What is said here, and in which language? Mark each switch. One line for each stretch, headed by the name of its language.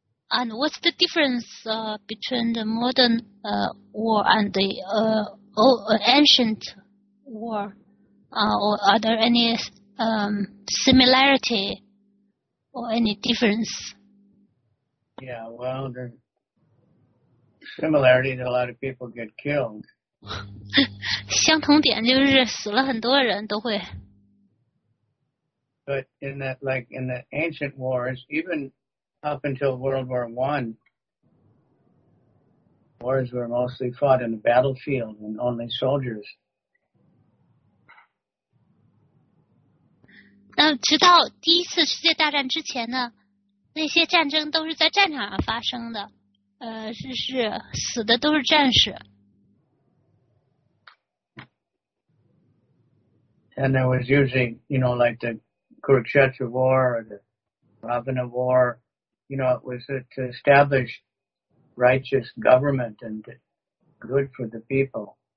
English: And what's the difference between the modern war and the ancient war? Or are there any similarity or any difference? Yeah, well, the similarity is a lot of people get killed.
Chinese: 相同点就是死了很多人都会。
English: But in that, like in the ancient wars, even up until World War I, wars were mostly fought in the battlefield and only soldiers.
Chinese: 但直到第一次世界大战之前呢，那些战争都是在战场上发生的，是死的都是战士。
English: And there was usually, you know, like the Kurukshetra War or the Ravana War, you know, it was to establish righteous government and good for the people.